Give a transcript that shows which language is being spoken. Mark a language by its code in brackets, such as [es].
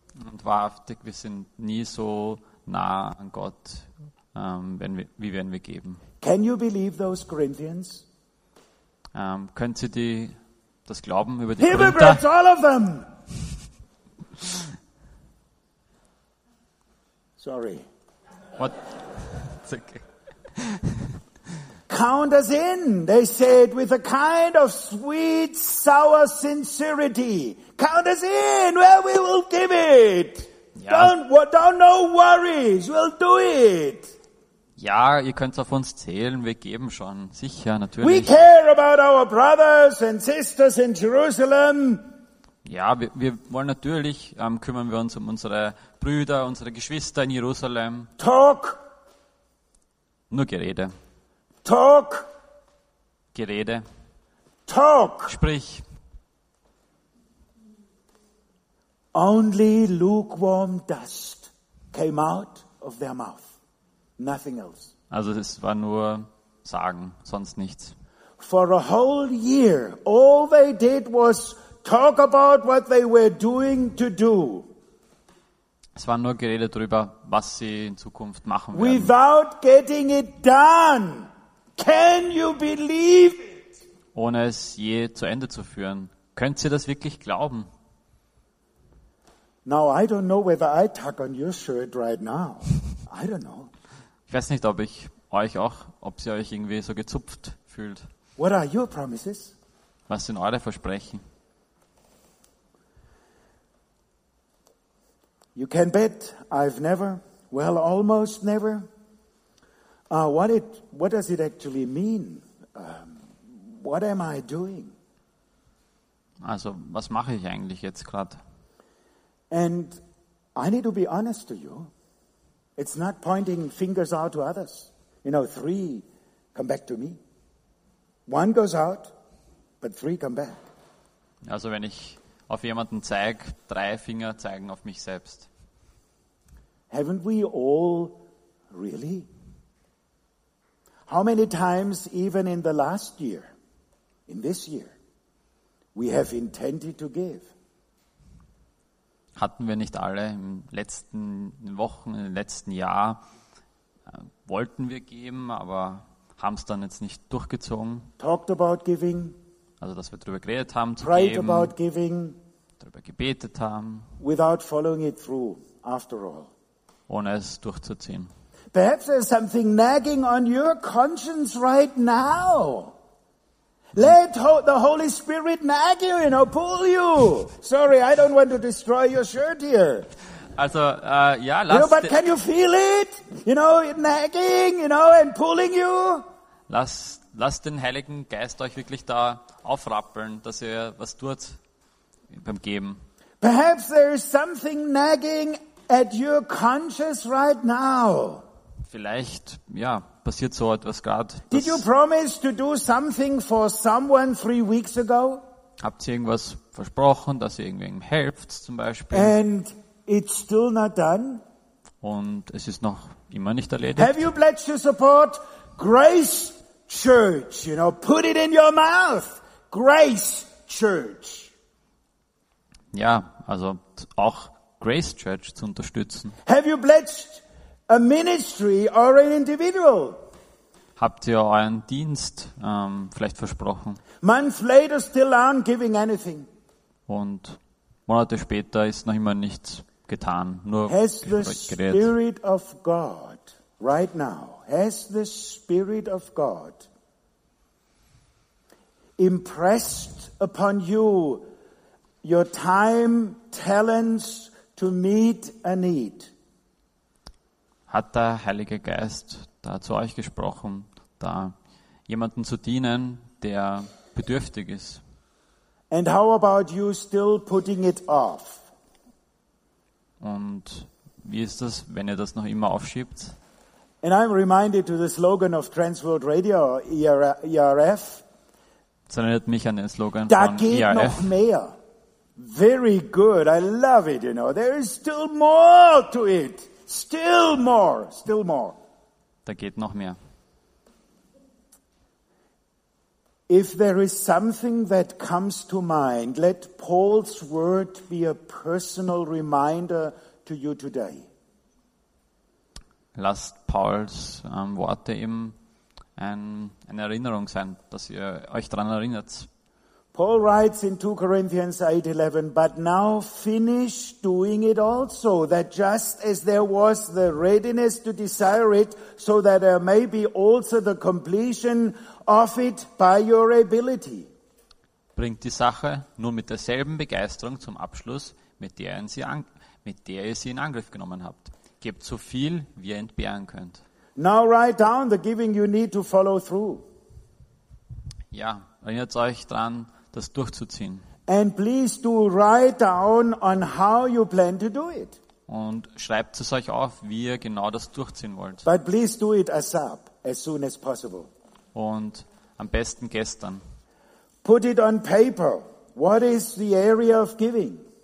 [de] Und wahrhaftig, wir sind nie so nah an Gott, wenn wir geben. [en] Can you believe those Corinthians? [de] Können Sie die das Glauben über die [en] Hypocrites, Korinther. All of them. Sorry. What? It's okay. Count us in, they said, with a kind of sweet, sour sincerity. Count us in, well, we will give it. [de] Ja. [en] Don't no worries, we'll do it. [de] Ja, ihr könnt auf uns zählen, wir geben schon, sicher, natürlich. [en] We care about our brothers and sisters in Jerusalem. [de] Ja, wir wollen natürlich, kümmern wir uns um unsere Brüder, unsere Geschwister in Jerusalem. [en] Talk. [de] Nur Gerede. [en] Talk. [de] Gerede. [en] Talk. [de] Sprich. [en] Only lukewarm dust came out of their mouth. Nothing else. [de] Also es war nur Sagen, sonst nichts. [en] For a whole year, all they did was talk about what they were doing to do. [de] Es war nur geredet darüber, was sie in Zukunft machen werden. [en] Without getting it done, can you believe it? [de] Ohne es je zu Ende zu führen, könnt ihr das wirklich glauben? [en] Now I don't know whether I tug on your shirt right now. I don't know. [de] Ich weiß nicht, ob ich euch auch, ob sie euch irgendwie so gezupft fühlt. [en] What are your promises? [de] Was sind eure Versprechen? [en] You can bet I've never, well, almost never. What does it actually mean? What am I doing? [de] Also, was mache ich eigentlich jetzt gerade? [en] And I need to be honest to you. It's not pointing fingers out to others. You know, three come back to me. One goes out, but three come back. [de] Also wenn ich auf jemanden zeige, drei Finger zeigen auf mich selbst. [en] Haven't we all really? How many times even in the last year, in this year, we have intended to give? [de] Hatten wir nicht alle in den letzten Wochen, im letzten Jahr, wollten wir geben, aber haben es dann jetzt nicht durchgezogen. [en] Talked about giving. [de] Also, dass wir darüber geredet haben, zu [en] prayed [de] geben. [en] About giving. [de] Darüber gebetet haben. [en] Without following it through, after all. [de] Ohne es durchzuziehen. [en] Perhaps there's something nagging on your conscience right now. Let the Holy Spirit nag you, you know, pull you. Sorry, I don't want to destroy your shirt here. [de] Also, ja, lass. [en] You know, but can you feel it? You know, nagging, you know, and pulling you. [de] Lass den Heiligen Geist euch wirklich da aufrappeln, dass ihr was tut beim Geben. [en] Perhaps there is something nagging at your conscience right now. [de] Vielleicht, ja, passiert so etwas gerade. [en] Did you promise to do something for someone 3 weeks ago? [de] Habt ihr irgendwas versprochen, dass ihr irgendwem helft, zum Beispiel? [en] And it's still not done. [de] Und es ist noch immer nicht erledigt. [en] Have you pledged to support Grace Church? You know, put it in your mouth. Grace Church. [de] Ja, also auch Grace Church zu unterstützen. [en] Have you pledged a ministry or an individual? [de] Habt ihr euren Dienst vielleicht versprochen? [en] Months later, still aren't giving anything. [de] Und Monate später ist noch immer nichts getan, nur geredet. [en] Spirit of God right now, has the Spirit of God impressed upon you your time, talents to meet a need? [de] Hat der Heilige Geist da zu euch gesprochen, da jemanden zu dienen, der bedürftig ist? [en] And how about you still putting it off? [de] Und wie ist das, wenn ihr das noch immer aufschiebt? [en] And I'm reminded to the slogan of Transworld Radio, ERF. [de] Das erinnert mich an den Slogan da von ERF. Da geht noch mehr. [en] Very good. I love it, you know. There is still more to it. Still more. Still more. [de] Da geht noch mehr. [en] If there is something that comes to mind, let Paul's word be a personal reminder to you today. [de] Lasst Pauls Worte eben eine Erinnerung sein, dass ihr euch daran erinnert. [en] Paul writes in 2 Corinthians 8:11, but now finish doing it also, that just as there was the readiness to desire it, so that there may be also the completion of it by your ability. [de] Bringt die Sache nur mit derselben Begeisterung zum Abschluss, mit der ihr sie in Angriff genommen habt. Gebt so viel, wie ihr entbehren könnt. [en] Now write down the giving you need to follow through. [de] Ja, erinnert euch dran, das durchzuziehen. [en] And please do write down on how you plan to do it. [de] Und schreibt es euch auf, wie ihr genau das durchziehen wollt. [en] But please do it ASAP, as soon as possible. [de] Und am besten gestern. [en] Put it on paper. What is the area of giving?